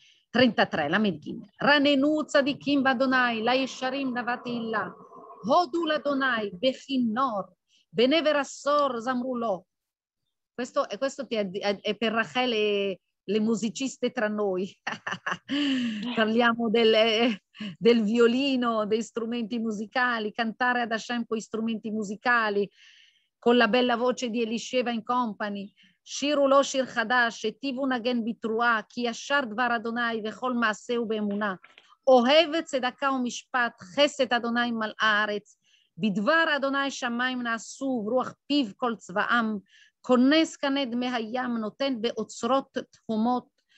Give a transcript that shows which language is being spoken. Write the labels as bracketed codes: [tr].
[he] 33, למד ג' רננו צדיקים באדוני, לישרים נוות תהילה. הודו לאדוני בכינור, בנבר עשור זמרו לו. [it] Questo è per Rachele, le musiciste tra noi. Parliamo del violino, degli strumenti musicali, cantare ad Hashem con strumenti musicali, con la bella voce di Elisheva [en] in company. [he] שירו לו שיר חדש, היטיבו נגן בתרועה, כי ישר דבר אדוני וכל מעשה הוא באמונה. אוהב צדקה ומשפט, חסד אדוני מלאה הארץ. בדבר אדוני שמיים נעשו, ורוח פיו כל צבאם. כונס קנה דמי הים, נותן באוצרות תהומות.